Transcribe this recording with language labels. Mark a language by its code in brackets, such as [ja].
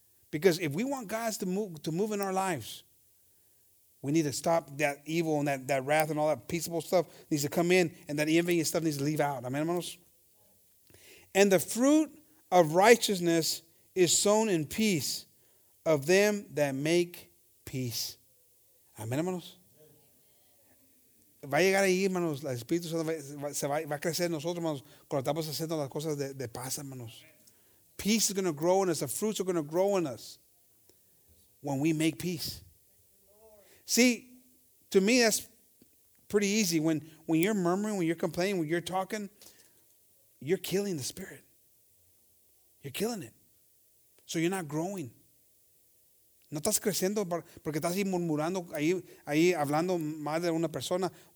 [en] Because if we want God to move in our lives, we need to stop that evil and that wrath and all that peaceable stuff needs to come in, and that envy and stuff needs to leave out. Amen, hermanos. And the fruit of righteousness is sown in peace of them that make peace. Amen, hermanos. [es] Va a llegar ahí, hermanos, el Espíritu Santo va a crecer en nosotros, hermanos, cuando estamos haciendo las cosas de paz, hermanos. [en] Peace is going to grow in us. The fruits are going to grow in us when we make peace. See, to me, that's pretty easy. When you're murmuring, when you're complaining, when you're talking, you're killing the Spirit. You're killing it. So you're not growing. [es] No estás creciendo porque estás ahí murmurando, ahí hablando mal de una persona.